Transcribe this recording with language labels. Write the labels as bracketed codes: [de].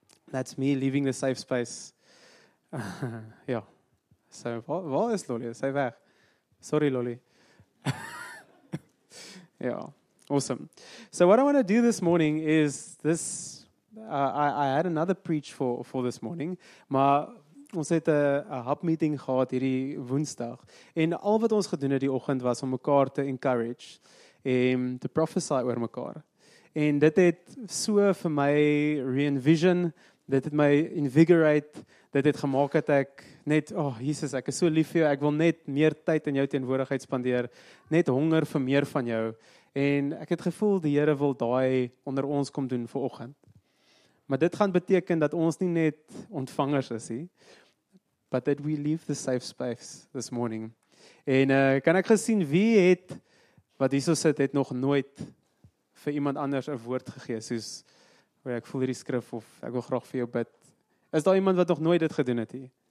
[en] That's me leaving the safe space. Yeah. So, what is Loli? Say back. Sorry, Loli. Yeah. Awesome. So what I want to do this morning is this. I had another preach for this morning. [af] Maar ons het 'n hap meeting gehad hierdie Woensdag. En al wat ons gedoen het die oggend was om mekaar te encourage en te prophesy oor mekaar. En dit het so vir my re-envision, dit het my invigorate, dit het gemaak dat ek net, oh Jesus, ek is so lief vir jou, ek wil net meer tyd in jou teenwoordigheid spandeer, net honger vir meer van jou. En ek het gevoel die Here wil daai onder ons kom doen vir oggend. Maar dit gaan beteken dat ons nie net ontvangers is nie, [en] but that we leave the safe space this morning. [af] En kan ek gesien wie het, wat hierso sit, het nog nooit vir iemand anders 'n woord gegee, soos, oh, ek voel hierdie skrif, of ek wil graag vir jou bid. Is daar iemand wat nog nooit dit gedoen het nie?